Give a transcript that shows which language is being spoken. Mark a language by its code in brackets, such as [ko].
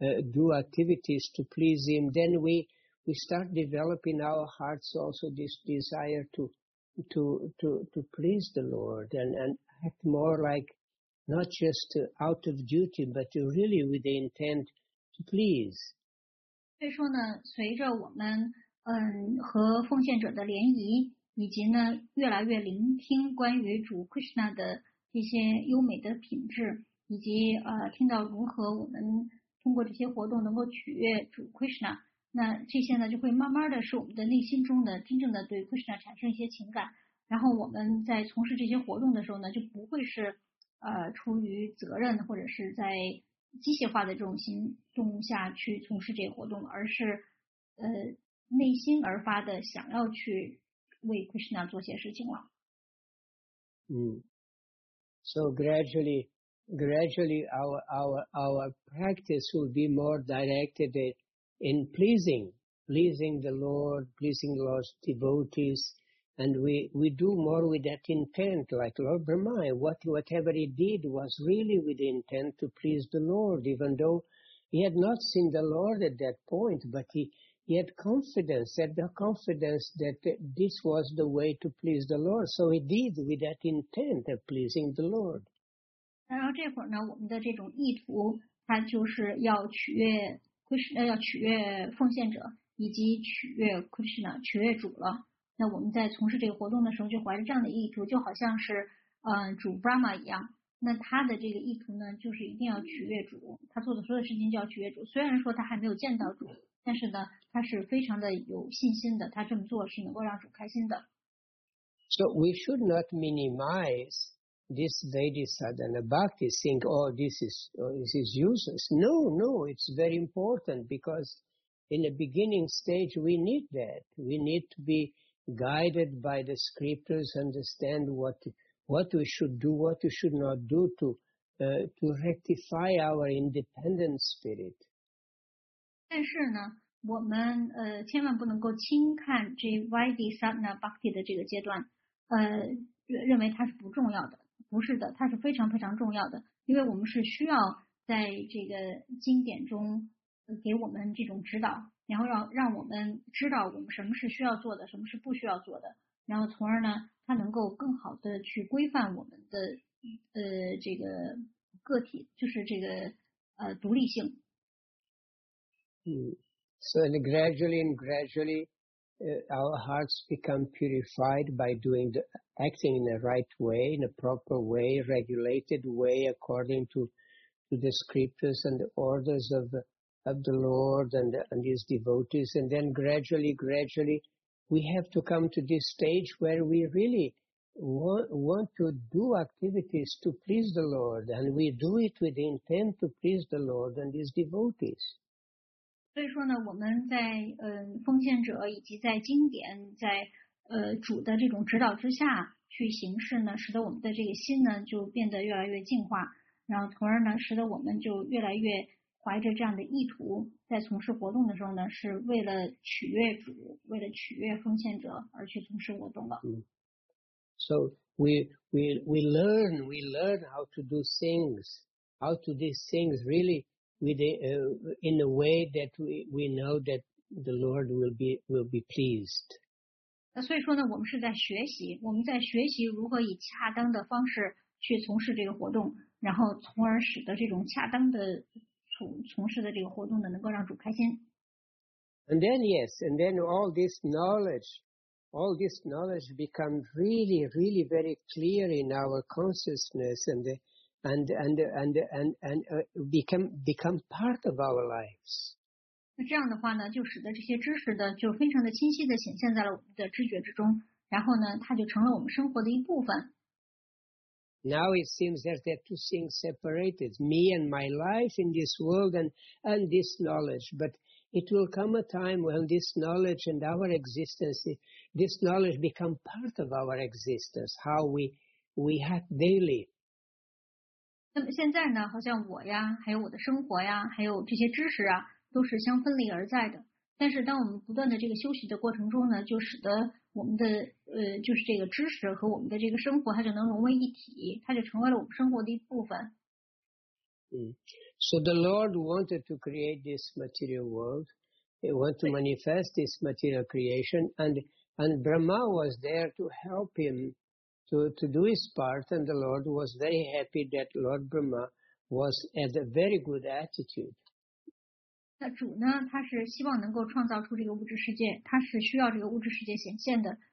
[en] do activities to please him, then we start developing our hearts also this desire to please the Lord and act more like not just out of duty, but really with the intent to please. [zh] 所以说呢，随着我们和奉献者的联谊，以及呢越来越聆听关于主 Krishna 的这些优美的品质，以及听到如何我们通过这些活动能够取悦主 Krishna， 那这些呢就会慢慢的使我们的内心中的真正的对 Krishna 产生一些情感，然后我们在从事这些活动的时候呢，就不会是出于责任或者是在机械化的这种行动下去从事这个活动，而是内心而发的想要去为 Krishna 做些事情了。 [en] So gradually our practice will be more directed in pleasing the Lord, pleasing the Lord's devotees. And we do more with that intent, like Lord Brahma, whatever he did was really with the intent to please the Lord, even though he had not seen the Lord at that point, but he had confidence, had the confidence that this was the way to please the Lord. So he did with that intent of pleasing the Lord. [zh] 然后这会儿呢，我们的这种意图，它就是要取悦 Krishna， 要取悦奉献者，以及取悦 Krishna， 取悦主了。那我们在从事这个活动的时候就怀着这样的意图，就好像是主 Brahma 一样，那他的这个意图呢就是一定要取悦主，他做的所有事情就要取悦主，虽然说他还没有见到主，但是呢他是非常的有信心的，他这么做是能够让主开心的。 [en] So we should not minimize this Vedisadhana Bhakti, think this is useless. No, it's very important, because in the beginning stage we need that. We need to be guided by the scriptures, understand what we should do, what we should not do to rectify our independent spirit. [zh] 但是呢，我们千万不能够轻看这 Vedisadhana Bhakti 的这个阶段，认为它是不重要的。不是的，它是非常非常重要的，因为我们是需要在这个经典中给我们这种指导，然后让我们知道我们什么是需要做的，什么是不需要做的，然后从而呢它能够更好的去规范我们的这个个体，就是这个独立性。 [en] So gradually our hearts become purified by doing the acting in the right way, in a proper way, regulated way according to the scriptures and the orders of the Lord and his devotees, and then gradually we have to come to this stage where we really want to do activities to please the Lord, and we do it with the intent to please the Lord and his devotees. [zh] 所以说呢，我们在奉献者以及在经典，在主的这种指导之下去行事呢，使得我们的这个心呢就变得越来越净化，然后从而呢使得我们就越来越怀着这样的意图，在从事活动的时候呢，是为了取悦主，为了取悦奉献者而去从事活动的。 [en] So we learn how to do things, how to do things really in a way that we know that the Lord will be pleased. [zh] 所以说呢，我们是在学习，我们在学习如何以恰当的方式去从事这个活动，然后从而使得这种恰当的从事的这个活动呢，能够让主开心。 [en] And then yes, and then all this knowledge becomes really, really very clear in our consciousness, and become part of our lives. [zh] 那这样的话呢，就使得这些知识的就非常的清晰的显现在了我们的知觉之中，然后呢，它就成了我们生活的一部分。 [en] Now it seems that there are two things separated, me and my life in this world and this knowledge, but it will come a time when this knowledge and our existence, this knowledge become part of our existence, how we act daily. [zh] 那么现在呢，好像我呀，还有我的生活呀，还有这些知识啊，都是相分离而在的。但是当我们不断的这个休息的过程中呢，就使得我们的就是这个知识和我们的这个生活，它就能融为一体，它就成为了我们生活的一部分。 [en] So the Lord wanted to create this material world. He wanted to manifest this material creation, and Brahma was there to help him to do his part. And the Lord was very happy that Lord Brahma was at a very good attitude. [zh] 那主呢？他是希望能够创造出这个物质世界，他是需要这个物质世界显现的。